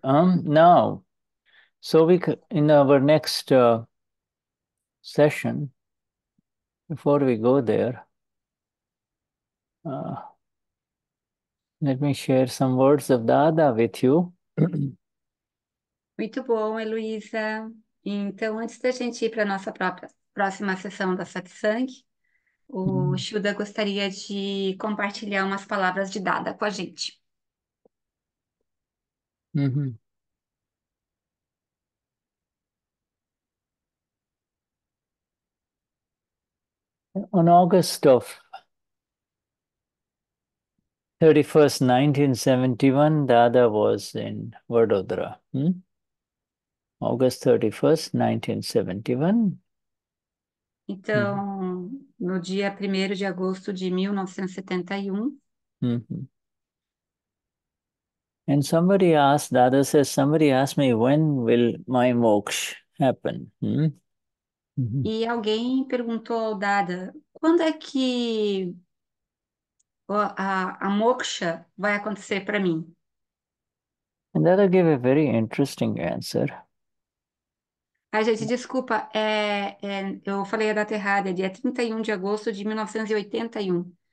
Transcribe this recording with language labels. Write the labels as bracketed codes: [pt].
[en] Now, so we could, in our next session, before we go there, let me share some words of Dada with you. [pt] Muito bom, Heloísa. Então, antes da gente ir para a nossa própria próxima sessão da Satsang, o Shuda gostaria de compartilhar umas palavras de Dada com a gente. [en] On August of 31st, 1971, Dada was in Vadodara. August 31st, 1971. [pt] Então, no dia 1º de agosto de 1971. [en] And somebody asked, Dada says, somebody asked me, when will my moksha happen? [pt] E alguém perguntou ao Dada, quando é que a moksha vai acontecer para mim? [en] And Dada gave a very interesting answer. [pt] Ai, gente, desculpa, eu falei a data errada, é dia 31 de agosto de 1981.